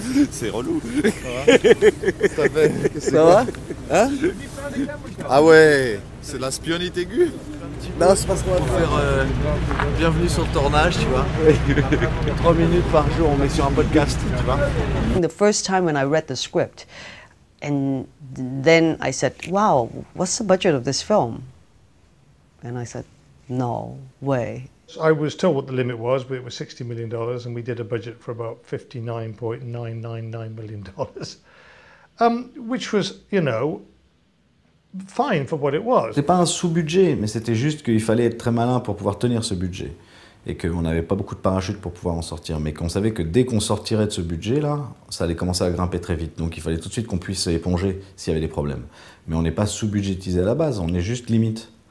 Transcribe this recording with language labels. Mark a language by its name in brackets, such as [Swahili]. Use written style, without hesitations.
[French] C'est relou. Ça va? Hein? Ah ouais, c'est la spionnette aiguë. Non, c'est parce qu'on va faire bienvenue sur le tournage, tu vois. 3 minutes par jour, on est sur un podcast, tu vois. [English] The first time when I read the script, and then I said, wow, what's the budget of this film? And I said, no way. I was told what the limit was, but it was $60 million, and we did a budget for about $59.999 million, which was, you know, fine for what it was. [French] C'était pas un sous-budget, mais c'était juste qu'il fallait être très malin pour pouvoir tenir ce budget, et qu'on n'avait pas beaucoup de parachutes pour pouvoir en sortir, mais qu'on savait que dès qu'on sortirait de ce budget-là, ça allait commencer à grimper très vite, donc il fallait tout de suite qu'on puisse éponger s'il y avait des problèmes. Mais on n'est pas sous-budgétisé à la base, on est juste limite.